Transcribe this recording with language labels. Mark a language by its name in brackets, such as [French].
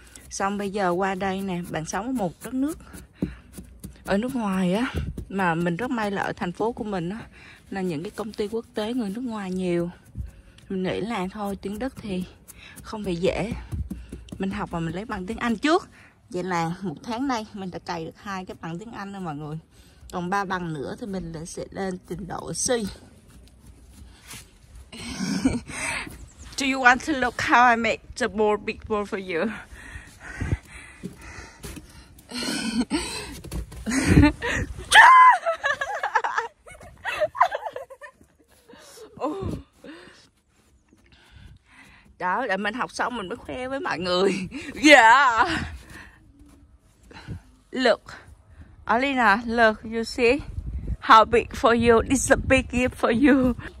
[Vietnamese] Xong bây giờ qua đây nè. Bạn sống ở một đất nước ở nước ngoài á, mà mình rất may là ở thành phố của mình á là những cái công ty quốc tế người nước ngoài nhiều. Mình nghĩ là thôi tiếng Đức thì không phải dễ. Mình học và mình lấy bằng tiếng Anh trước. Vậy là một tháng nay mình đã cày được 2 cái bằng tiếng Anh rồi mọi người. Còn 3 bằng nữa thì mình sẽ lên trình độ C. [English] Do you want to look how I make the board big board for you? [Vietnamese] Đó, để mình học xong mình mới khoe với mọi người. [English] Yeah. Look, Alina, look, you see how big for you. This is a big gift for you.